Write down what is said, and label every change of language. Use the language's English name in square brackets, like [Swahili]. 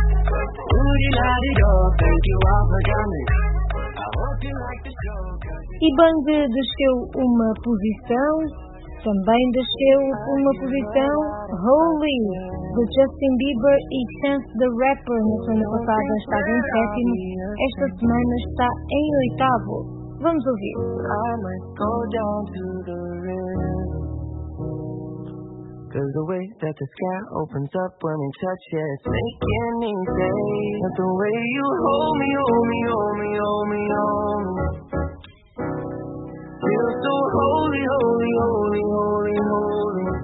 [English] Ooh-dee-da-dee-do, thank you all for coming. I hope you like the show, cause... [Portuguese] E Banda desceu uma posição. Também desceu uma posição. Holy, de Justin Bieber e Chance the Rapper, na semana passada estava em sétimo, esta semana está em oitavo. Vamos ouvir. [English] I might go down to the river, cause the way that the sky opens up when we touch it, it's making me say, that the way you hold me, hold me, hold me, hold me, hold me, feel so holy, holy, holy, holy, holy.